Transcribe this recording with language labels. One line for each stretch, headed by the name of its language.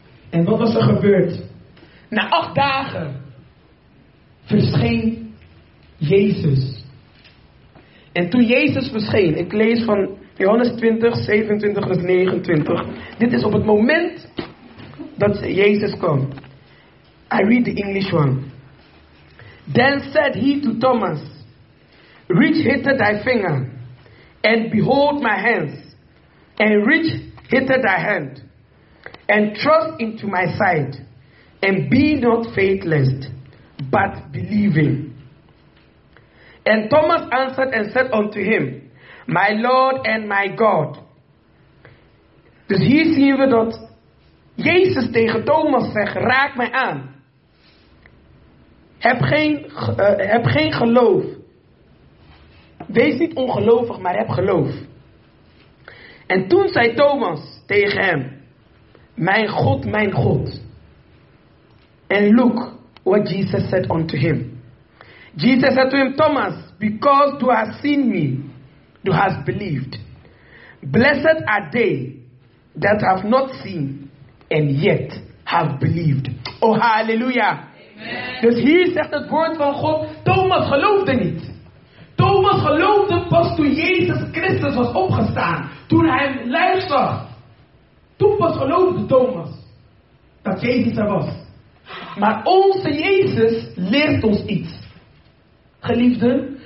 Dutch: En wat was er gebeurd? Na 8 dagen verscheen Jezus. En toen Jezus verscheen, ik lees van Johannes 20, 27 tot 29. Dit is op het moment dat Jezus kwam.
English: I read the English one. Then said he to Thomas, reach hither thy finger, and behold my hands, and reach hither thy hand, and trust into my side, and be not faithless, but believing. And Thomas answered and said unto him, my Lord and my God.
Dutch: Dus hier zien we dat Jezus tegen Thomas zegt, raak mij aan. Heb geen geloof. Wees niet ongelovig, maar heb geloof. En toen zei Thomas tegen hem, mijn God, mijn God.
English: And look what Jesus said unto him. Jesus said to him, Thomas, because thou hast seen me, thou hast believed. Blessed are they that have not seen and yet have believed. Oh, hallelujah. Amen.
Dutch: Dus hier zegt het woord van God, Thomas geloofde niet. Thomas geloofde pas toen Jezus Christus was opgestaan. Toen hij hem luisterde. Toen pas geloofde Thomas dat Jezus er was. Maar onze Jezus leert ons iets. Geliefden.